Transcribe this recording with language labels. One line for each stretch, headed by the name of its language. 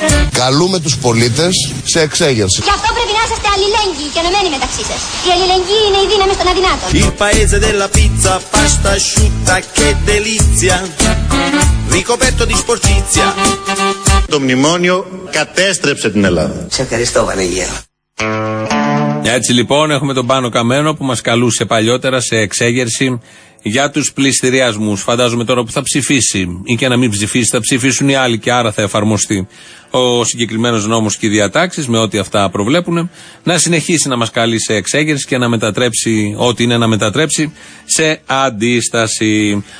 Greek: Καλούμε τους πολίτες σε εξέγερση. Γι' αυτό πρέπει να είσαστε αλληλέγγυοι και ενωμένοι μεταξύ σας. Η αλληλεγγύη είναι η δύναμη των αδυνάτων.
Italian: Il paese della pizza, pasta asciutta, che delizia. Ricoperto di sporcizia.
Greek: Το μνημόνιο κατέστρεψε την Ελλάδα. Σε ευχαριστώ, Βανεγέρο. Έτσι λοιπόν έχουμε τον Πάνο Καμένο που μας καλούσε παλιότερα σε εξέγερση για τους πληστηριασμούς. Φαντάζομαι τώρα που θα ψηφίσει ή και να μην ψηφίσει, θα ψηφίσουν οι άλλοι και άρα θα εφαρμοστεί ο συγκεκριμένος νόμος και οι διατάξεις με ό,τι αυτά προβλέπουν, να συνεχίσει να μας καλεί σε εξέγερση και να μετατρέψει ό,τι είναι να μετατρέψει σε αντίσταση.